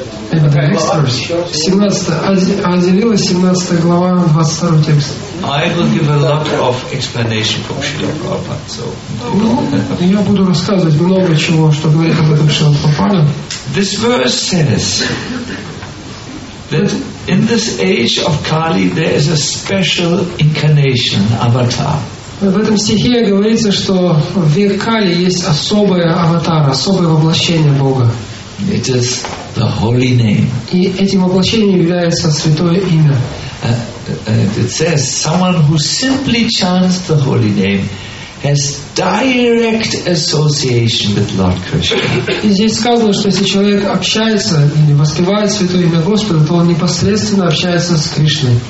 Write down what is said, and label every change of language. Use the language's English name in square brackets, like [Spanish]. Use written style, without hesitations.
[Russian] Это текст. 17 глава, 22 текст. [English] I will give a lot of explanation from Srila Prabhupada, so. [Russian] Я буду рассказывать много чего, что говорит об этом Шрила Прабхупада. [English] This verse says that in this age of Kali there is a special incarnation, avatar. [Russian] В этом стихе говорится, что в век Кали есть особый аватар, особое воплощение Бога. [English] It is the holy name. [Russian] И этим воплощением является святое имя. [English] It says someone who simply chants the holy name has direct association with Lord Krishna. [Russian] И здесь сказано, что если человек общается или воспевает святое имя Господа, то он непосредственно общается с Кришной.